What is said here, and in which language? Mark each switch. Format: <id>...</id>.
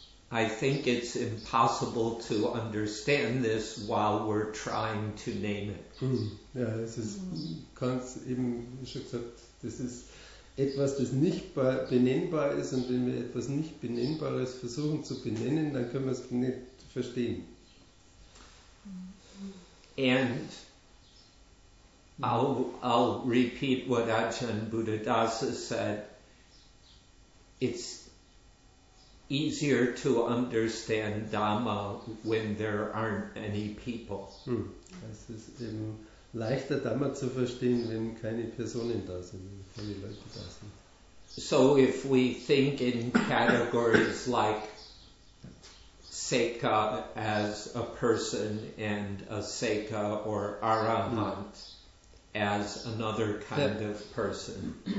<en>I think it's impossible to understand this while we're trying to name it.</en> <de>Ja, es ist, Kant eben schon gesagt, das ist etwas, das nicht benennbar ist, und wenn wir etwas nicht Benennbares versuchen zu benennen, dann können wir es nicht verstehen.</de> <en>And I'll repeat what Ajahn Buddhadasa said. It's easier to understand Dhamma when there aren't any people.</en> <de>Es ist eben leichter, Dhamma zu verstehen, wenn keine Personen da sind, wenn keine Leute da sind.</de> <en>So if we think in categories like Seka as a person and a Seka or Arahant as another kind of person.</en>